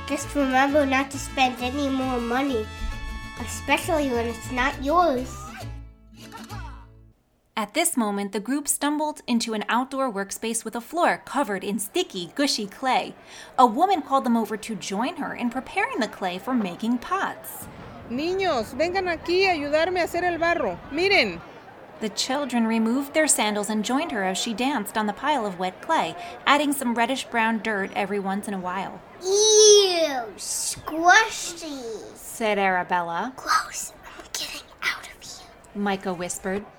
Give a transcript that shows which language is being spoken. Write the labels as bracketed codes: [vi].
[en] Just remember not to spend any more money, especially when it's not yours. At this moment, the group stumbled into an outdoor workspace with a floor covered in sticky, gushy clay. A woman called them over to join her in preparing the clay for making pots. [es] Niños, vengan aquí a ayudarme a hacer el barro. Miren. [en] The children removed their sandals and joined her as she danced on the pile of wet clay, adding some reddish-brown dirt every once in a while. Ew, squishy, said Arabella. Gross, I'm getting out of here, Micah whispered.